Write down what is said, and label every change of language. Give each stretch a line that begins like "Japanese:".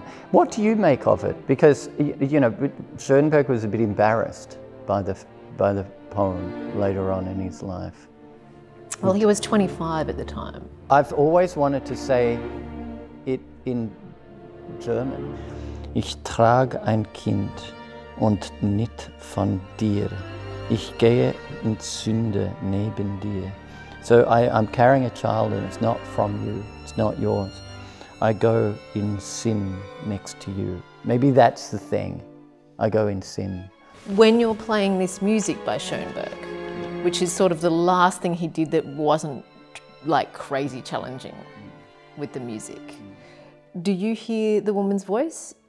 English: What do you make of it? Because, you know, Schoenberg was a bit embarrassed by the poem later on in his life. Well, he was 25 at the time. I've always wanted to say it in German.
German: Ich trage ein Kind und nicht von dir. Ich gehe in Sünde neben dir.
English: So I'm carrying a child and it's not from you, it's not yours. I go in sin next to you. Maybe that's the thing. I go in sin. When you're playing this music by Schoenberg, which is sort of the last thing he did that wasn't like crazy challenging with the music, do you hear the woman's voice?